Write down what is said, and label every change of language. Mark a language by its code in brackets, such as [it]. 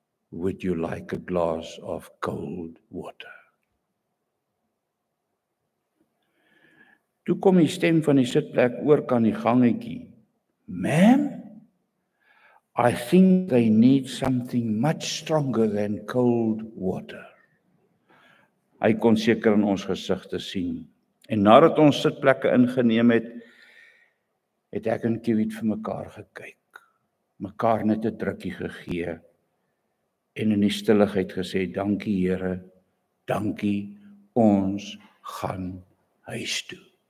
[en] Would you like a glass of cold water? [af] Toe kom die stem van die sitplek oor kan die gangetjie. [en] Ma'am, I think they need something much stronger than cold water. [af] Hy kon seker in ons gesigte sien. En nadat ons sitplekke ingeneem het, het ek en Kiewit vir mekaar gekyk. Mekaar net 'n drukkie gegee en in die stilligheid gesê, dankie Here, dankie, ons gaan huis toe.